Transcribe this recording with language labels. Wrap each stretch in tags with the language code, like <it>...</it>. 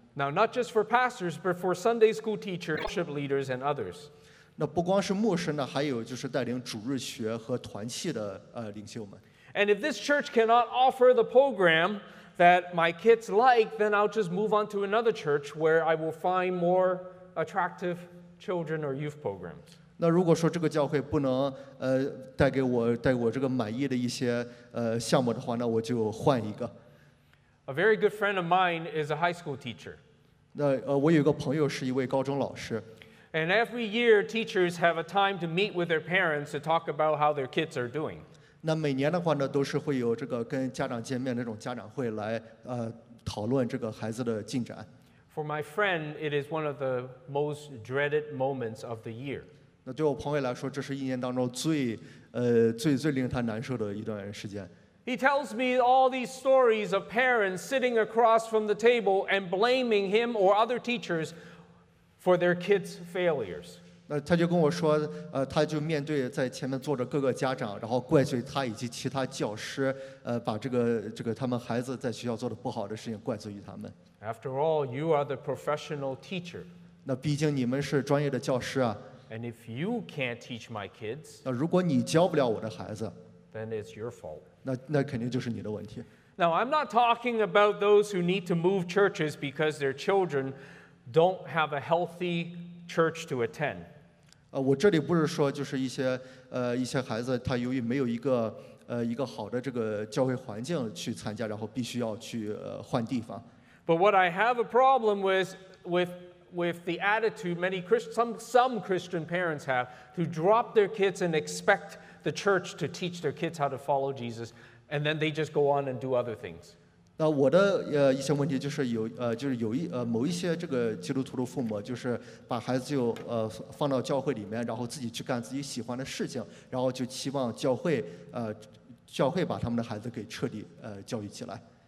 <en>Now, not just for pastors, but for Sunday school teachers, worship leaders, and others.</en> <zh>那不光是牧师呢，还有就是带领主日学和团契的领袖们。</zh> <en>And if this church cannot offer the program that my kids like, then I'll just move on to another church where I will find more attractive children or youth programs.</en> <zh>那如果说这个教会不能带给我这个满意的一些项目的话，那我就换一个。</zh> <en>A very good friend of mine is a high school teacher.</en> <zh>那我有一个朋友是一位高中老师。</zh> <en>And every year, teachers have a time to meet with their parents to talk about how their kids are doing.</en> <zh>那每年的话呢，都是会有这个跟家长见面那种家长会来讨论这个孩子的进展。</zh> <en>For my friend, it is one of the most dreaded moments of the year.</en> <zh>那对我朋友来说，这是一年当中最令他难受的一段时间。</zh> <en>He tells me all these stories of parents sitting across from the table and blaming him or other teachers for their kids' failures.</en> <zh>他就跟我说，他就面对在前面坐着各个家长，然后怪罪他以及其他教师，把这个他们孩子在学校做的不好的事情怪罪于他们。</zh> <en>After all, you are the professional teacher.</en> <zh>那毕竟你们是专业的教师啊。</zh> <en>And if you can't teach my kids,</en> <zh>那如果你教不了我的孩子，</zh> <en>then it's your fault.</en> <zh>那肯定就是你的问题。</zh> <en>Now, I'm not talking about those who need to move churches because their children don't have a healthy church to attend.</en> <zh>我这里不是说就是一些孩子他由于没有一个好的这个教会环境去参加，然后必须要去换地方。</zh> <en>But what I have a problem with the attitude many Christians, some Christian parents have to drop their kids and expect. The church to teach their kids how to follow Jesus, and then they just go on and do other things.</en> <zh>那我的一些问题就是某一些这个基督徒的父母，就是把孩子就放到教会里面，然后自己去干自己喜欢的事情，然后就期望教会把他们的孩子给彻底教育起来。</zh>